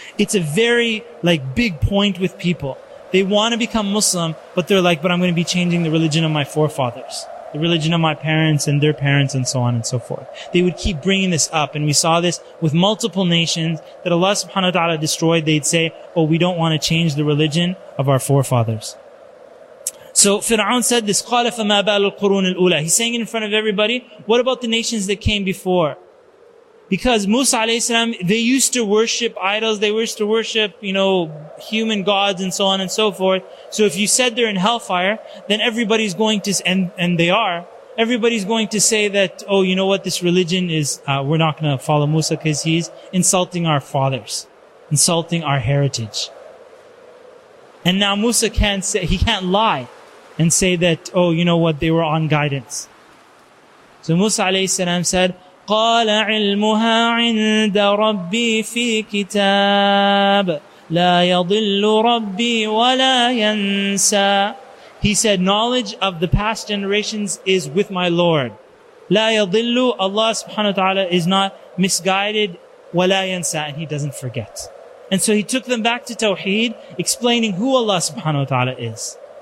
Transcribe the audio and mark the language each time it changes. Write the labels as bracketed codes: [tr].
[en] It's a very, like, big point with people. They want to become Muslim, but they're like, but I'm going to be changing the religion of my forefathers, the religion of my parents and their parents and so on and so forth. They would keep bringing this up, and we saw this with multiple nations that Allah subhanahu wa ta'ala destroyed. They'd say, oh, we don't want to change the religion of our forefathers. So Fir'aun said this, [ar] قَالَ فَمَا بَالُ الْقُرُونِ الْأُولَى. [en] He's saying it in front of everybody, what about the nations that came before? Because Musa alayhi salam, they used to worship idols, they used to worship, you know, human gods and so on and so forth. So if you said they're in hellfire, then everybody's going to, and they are, everybody's going to say that, oh, you know what, this religion is, we're not going to follow Musa because he's insulting our fathers, insulting our heritage. And now Musa can't say, he can't lie. And say that, oh, you know what, they were on guidance. So Musa alayhi salam said, [ar] قَالَ عِلْمُهَا عِنْدَ رَبِّي فِي كِتَابٍ لَا يَضِلُّ رَبِّي وَلَا يَنْسَى. [en] He said, knowledge of the past generations is with my Lord. [ar] لَا يَضِلُّ. [en] Allah subhanahu wa ta'ala is not misguided. [ar] وَلَا يَنْسَى. [en] And he doesn't forget. And so he took them back to Tawheed, explaining who Allah subhanahu wa ta'ala is.